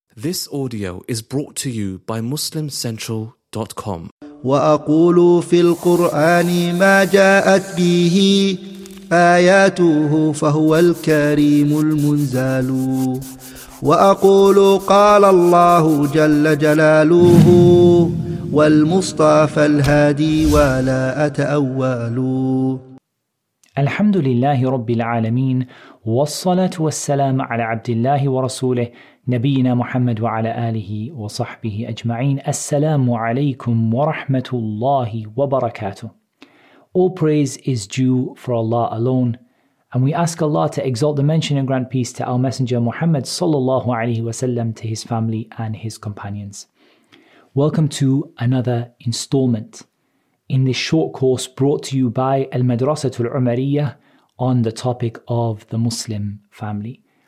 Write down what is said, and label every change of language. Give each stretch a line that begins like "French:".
English: This audio is brought to you by MuslimCentral.com.
Arabic: وأقول في القرآن ما جاءت به آياته فهو الكريم المنزال. وأقول قال الله جل جلاله والمصطفى الهادي ولا أتأول. الحمد لله رب العالمين والصلاة والسلام على عبد الله ورسوله نبينا محمد وعلى آله وصحبه أجمعين. السلام عليكم ورحمة الله وبركاته.
English: All praise is due for Allah alone, and we ask Allah to exalt the mention and grant peace to our Messenger Muhammad sallallahu alaihi wasallam, to his family and his companions. Welcome to another installment in this short course brought to you by Al-Madrasatul Umariya on the topic of the Muslim family.